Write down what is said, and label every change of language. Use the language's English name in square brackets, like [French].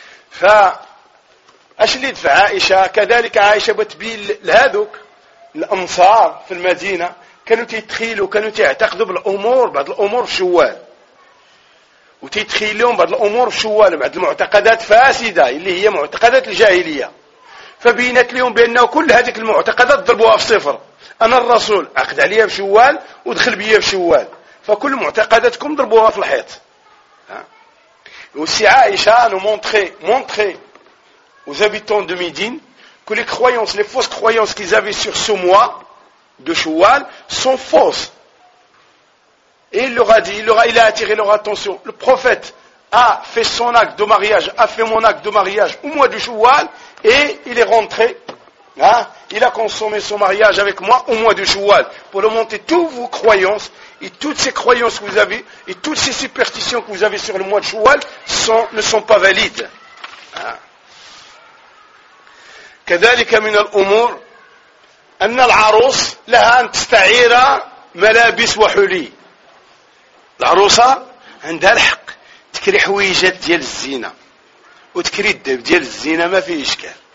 [Arabic] Fa أشليد في عائشة كذلك عائشة بتبيل لهذوك الأنصار في المدينة كانوا تتخيلوا كانوا تعتقدوا بالأمور بعض الأمور في شوال وتتخيلون بعض الأمور في شوال بعض المعتقدات فاسدة اللي هي معتقدات الجاهلية فبينت لهم بأنه كل هذه المعتقدات ضربوها في صفر أنا الرسول عقد عليها في شوال ودخل بيها في شوال فكل معتقداتكم ضربوها في الحيط [French] وسي عائشة أنا مونتخي aux habitants de Médine, que les croyances, les fausses croyances qu'ils avaient sur ce mois de Shawwal sont fausses. Et il leur a dit, il a attiré leur attention. Le prophète a fait son acte de mariage, a fait mon acte de mariage au mois de Shawwal, et il est rentré. Il a consommé son mariage avec moi au mois de Shawwal pour leur montrer toutes vos croyances et toutes ces croyances que vous avez et toutes ces superstitions que vous avez sur le mois de Shawwal ne sont pas valides. [Arabic] كذلك من الأمور أن العروس لها أن تستعير ملابس وحلي. العروسة عندها الحق تكري حويجات ديال الزينة وتكري الدب ديال الزينة ما فيه إشكال.